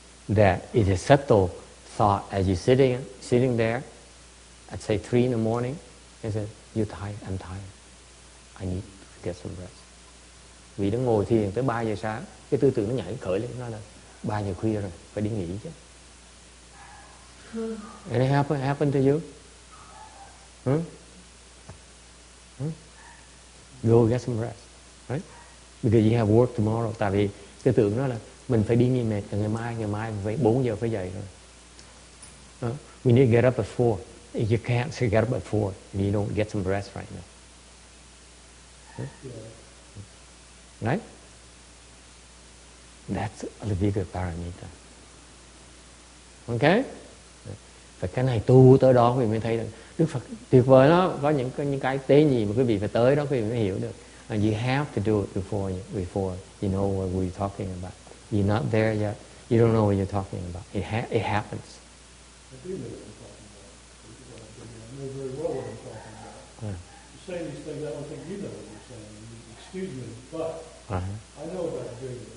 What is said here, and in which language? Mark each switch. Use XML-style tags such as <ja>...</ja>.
<en>That it is subtle thought as you're sitting there at say 3 in the morning and say, you're tired, I'm tired. I need to get some rest.</en> <vi>Vì nó ngồi thiền tới 3 giờ sáng, cái tư tưởng nó nhảy khởi lên, nó là 3 giờ khuya rồi, phải đi nghỉ chứ.</vi> <en>And it happened to you? Go get some rest, right? Because you have work tomorrow.</en> <vi>Tại vì tư tưởng nó là mình phải đi nghỉ mệt, ngày mai phải 4 giờ phải dậy rồi.</vi> <en>We need to get up at 4. If you can't, so get up at 4. And you don't get some rest right now. Yeah. Right? That's a bigger parameter. Okay?</en> <vi>Và cái này tu tới đó quý vị mới thấy được. Đức Phật tuyệt vời lắm. Có những cái tế gì mà quý vị phải tới đó quý vị mới hiểu được.</vi> <en>And you have to do it before you know what we're talking about. You're not there yet. You don't know what you're talking about. It happens. I do know what I'm talking about. I know very well what I'm talking about. You say these things, I don't think you know what you're saying. Excuse me, but I know about doing it.</en>